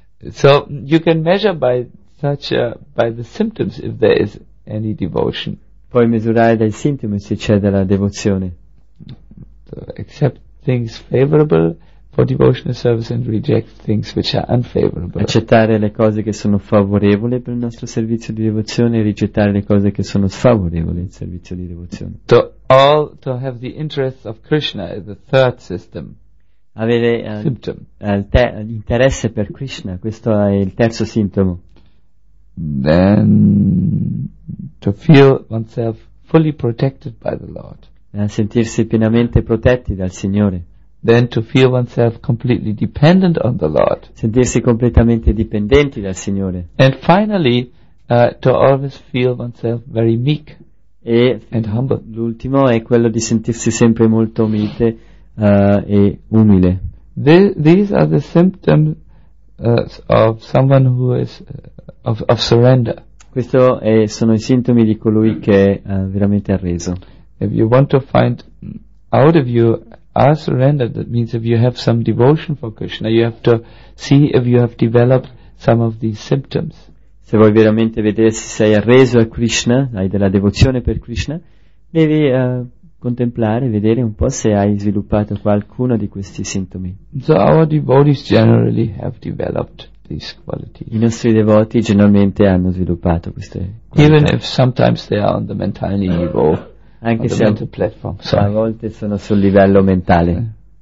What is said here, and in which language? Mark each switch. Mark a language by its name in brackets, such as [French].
[English] So you can measure by such by the symptoms if there is any devotion. [Italian] Puoi misurare dai sintomi se c'è della devozione. [English] Accept things favorable for devotional service and reject things which are unfavorable. [Italian] Accettare le cose che sono favorevoli per il nostro servizio di devozione e rigettare le cose che sono sfavorevoli al servizio di devozione. [English] To have the interests of Krishna is the third system. [Italian] Avere [English] symptom. [Italian] L'interesse per Krishna, questo è il terzo sintomo. [English] Then to feel oneself fully protected by the Lord. [Italian] A sentirsi pienamente protetti dal Signore. [English] Then to feel oneself completely dependent on the Lord. [Italian] Sentirsi completamente dipendenti dal Signore. [English] And finally, to always feel oneself very meek and humble. [Italian] L'ultimo è quello di sentirsi sempre molto mite e umile. [English] These are the symptoms of someone who is of surrender. [Italian] Questo sono i sintomi di colui che è veramente arreso. [English] If you want to find out if you are surrendered, that means if you have some devotion for Krishna, you have to see if you have developed some of these symptoms. [Italian] se vuoi veramente vedere se sei arreso a Krishna, hai della devozione per Krishna, devi contemplare, vedere un po' se hai sviluppato qualcuno di questi sintomi. [English] So our devotees generally have developed these qualities. [Italian] I nostri devoti generalmente hanno sviluppato queste qualità. [English] Even if sometimes they are on the mentality level, [Italian] anche [English] on [Italian] se [English] the mental platform. [Italian] A volte sono sul livello mentale.